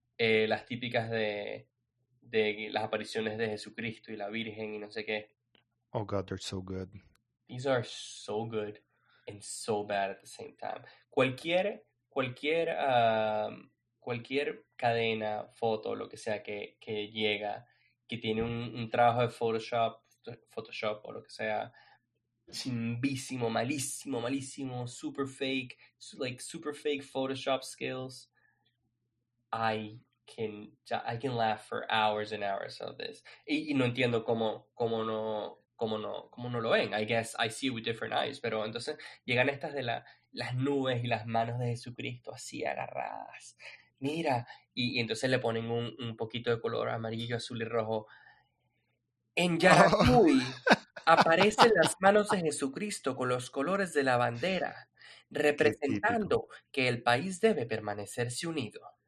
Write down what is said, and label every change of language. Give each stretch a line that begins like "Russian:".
Spanish: las típicas de las apariciones de Jesucristo y la Virgen y no sé qué.
English: Oh God, they're so good. These are so good and so bad at the same time.
Spanish: Cualquier cadena, foto, lo que sea que llega, que tiene un trabajo de Photoshop o lo que sea, chimbísimo, malísimo, malísimo,
English: super fake, like super fake Photoshop skills. I can laugh for hours and hours of this.
Spanish: Y no entiendo cómo no lo ven.
English: I guess I see it with different eyes.
Spanish: Pero entonces llegan estas de las nubes y las manos de Jesucristo así agarradas. Mira, y entonces le ponen un poquito de color amarillo, azul y rojo. En Yaracuy aparecen las manos de Jesucristo con los colores de la bandera, representando que el país debe permanecerse unido.